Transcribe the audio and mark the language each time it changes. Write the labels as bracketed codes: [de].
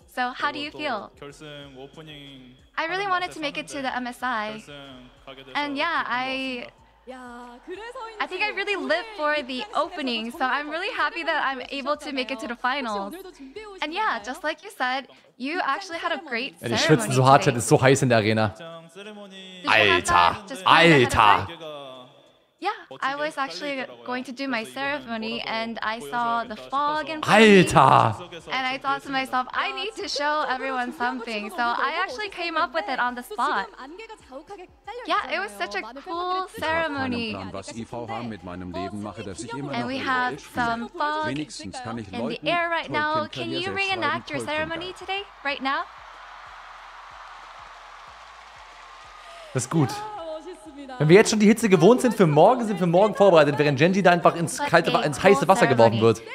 [en] So how do you feel? I really wanted to make it to the MSI. And yeah, I think I really live for the opening, so I'm really happy that I'm able to make it to the finals. And yeah, just like you said, you actually had a great ceremony. [de] Die schwitzen so hart, es ist so heiß in der Arena. Alter, Alter. [en] Yeah, I was actually going to do my ceremony and I saw the fog and [de] Alter! [en] And I thought to myself, I need to show everyone something. So I actually came up with it on the spot. Yeah, it was such a cool ceremony. And we have some fog in the air right now. Can you reenact your ceremony today, right now? That's good. [de] Wenn wir jetzt schon die Hitze gewohnt sind, für morgen vorbereitet, während Genji da einfach ins heiße Wasser geworfen wird.